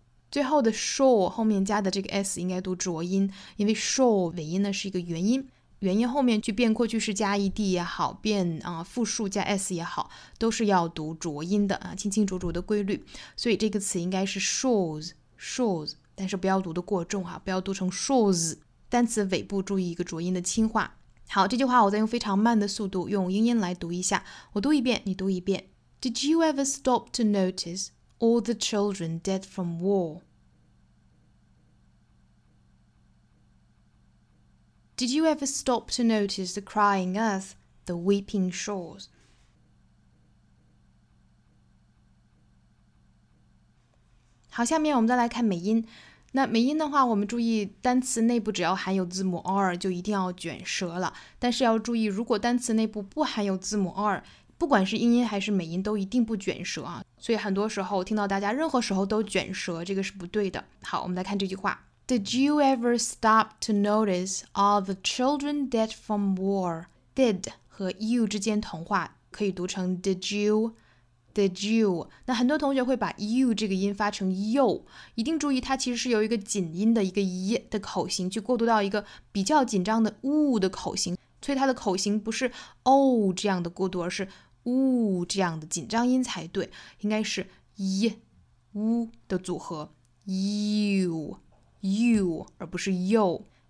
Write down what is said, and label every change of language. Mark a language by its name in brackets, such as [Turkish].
[Chinese] 最后的 shore 后面加的这个 s 应该读浊音，因为 shore 尾音呢是一个元音，元音后面去变过去式加 ed 也好，变复数加 s 也好，都是要读浊音的啊，清清浊浊的规律。所以这个词应该是 shores。但是不要读得过重哈，不要读成 shores， 单词尾部注意一个浊音的轻化。好，这句话我再用非常慢的速度用英音来读一下，我读一遍你读一遍。 [English] Did you ever stop to notice all the children dead from war? Did you ever stop to notice the crying earth, the weeping shores? [Chinese] 好，下面我们再来看美音。那美音的话，我们注意单词内部只要含有字母 R 就一定要卷舌了，但是要注意如果单词内部不含有字母 R， 不管是英音还是美音都一定不卷舌啊。所以很多时候听到大家任何时候都卷舌，这个是不对的。好，我们来看这句话。 [English] Did you ever stop to notice all the children dead from war? [Chinese] Did 和 you 之间同化，可以读成 did you。那很多同学会把 you 这个音发成 you， 一定注意它其实是由一个紧音的一个 y 的口型去过渡到一个比较紧张的 u 的口型，所以它的口型不是 o 这样的过渡，而是 u 这样的紧张音才对，应该是 y u 的组合 you 而不是 you。